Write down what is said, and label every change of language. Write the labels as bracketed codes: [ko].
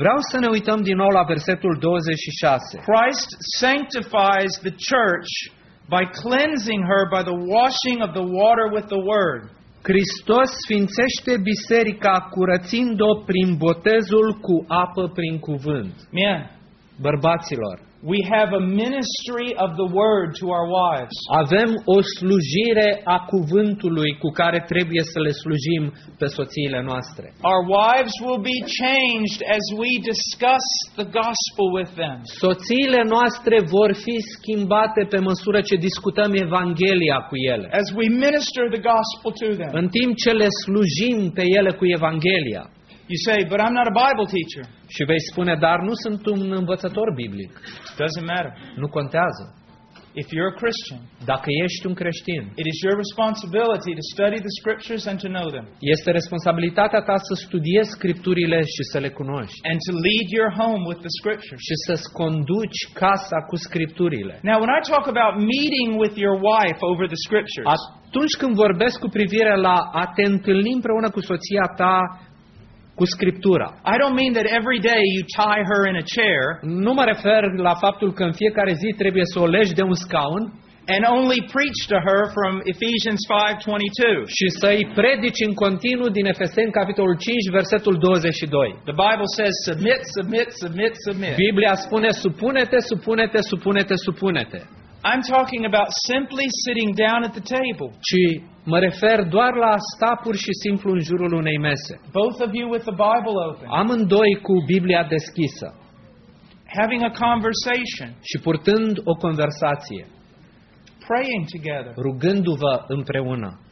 [ro] Vreau să ne uităm din nou la versetul 26. [en] Christ sanctifies the church by cleansing her by the washing of the water with the word. [ro] Hristos sfințește biserica curățind-o prin botezul cu apă prin cuvânt. [en] Men, [ro] bărbaților, [en] we have a ministry of the word to our wives. [ro] Avem o slujire a cuvântului cu care trebuie să le slujim pe soțiile noastre. [en] Our wives will be changed as we discuss the gospel with them. [ro] Soțiile noastre vor fi schimbate pe măsură ce discutăm evanghelia cu ele. [en] As we minister the gospel to them. [ro] În timp ce le slujim pe ele cu evanghelia. [en] You say, but I'm not a Bible teacher. [ro] Și vei spune, dar nu sunt un învățător biblic. [en] Doesn't matter. [ro] Nu contează. [en] If you're a Christian, [ro] dacă ești un creștin, [en] it is your responsibility to study the scriptures and to know them. [ro] Este responsabilitatea ta să studiezi scripturile și să le cunoști. [en] And to lead your home with the scriptures. [ro] Și să-ți conduci casa cu scripturile. [en] Now, when I talk about meeting with your wife over the scriptures, [ro] atunci când vorbesc cu privire la a te întâlni împreună cu soția ta cu scriptura. [en] I don't mean that every day you tie her in a chair. [ro] Nu mă refer la faptul că în fiecare zi trebuie să o legi de un scaun. [en] And only preach to her from Ephesians 5:22. [ro] Și să îi predici în continuu din Efeseni capitolul 5 versetul 22. [en] The Bible says submit, submit, submit, submit. [ro] Biblia spune supune-te, supune-te, supune-te, supune-te. [en] I'm talking about simply sitting down at the table. [ro] Ci mă refer doar la a sta pur și simplu în jurul unei mese. [en] Both of you with the Bible open. [ro] Amândoi cu Biblia deschisă. [en] Having a conversation. [ro] Și purtând o conversație. [en] Praying together. [ro] Rugându-vă împreună.